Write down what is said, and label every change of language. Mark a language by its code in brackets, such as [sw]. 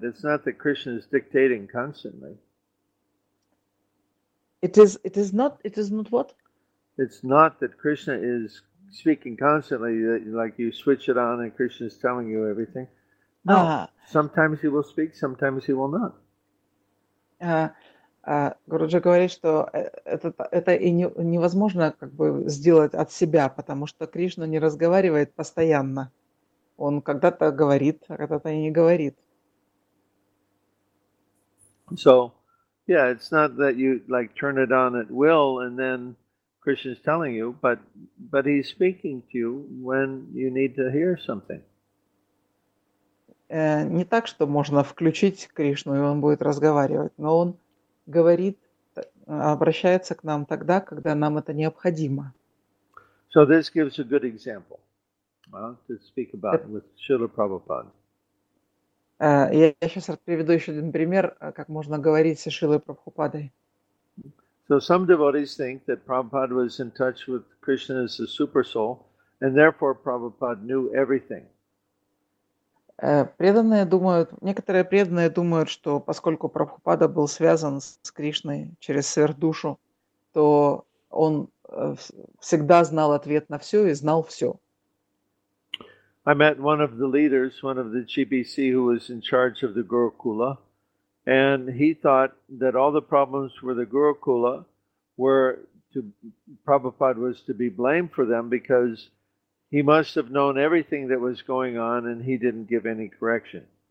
[en] It's not that Krishna is dictating constantly. It is not what? It's not that Krishna is speaking constantly, like you switch it on and Krishna is telling you everything. No. Sometimes he will speak, sometimes he will not. [ru] Гуруджи говорит, что это и невозможно как бы сделать от себя, потому что Кришна не разговаривает постоянно. Он когда-то говорит, а когда-то и не говорит. [en] So, yeah, it's not that you like turn it on at will and then Krishna's telling you, but he's speaking to you when you need to hear something. [ru] Не так, что можно включить Кришну, и он будет разговаривать, но он говорит, обращается к нам тогда, когда нам это необходимо. [en] So this gives a good example, to speak about with Srila Prabhupada. [ru] Я сейчас приведу еще один пример, как можно говорить с Шрилой Прабхупадой. [en] So some devotees think that Prabhupada was in touch with Krishna as the super soul, and therefore Prabhupada knew everything. [ru] Некоторые преданные думают, что поскольку Прабхупада был связан с Кришной через сверхдушу, то он всегда знал ответ на все и знал все. [en] I met one of the leaders, one of the GBC who was in charge of the Gurukula, and he thought that all the problems with the Gurukula Prabhupada was to be blamed for them because he must have known everything that was going on and he didn't give any correction.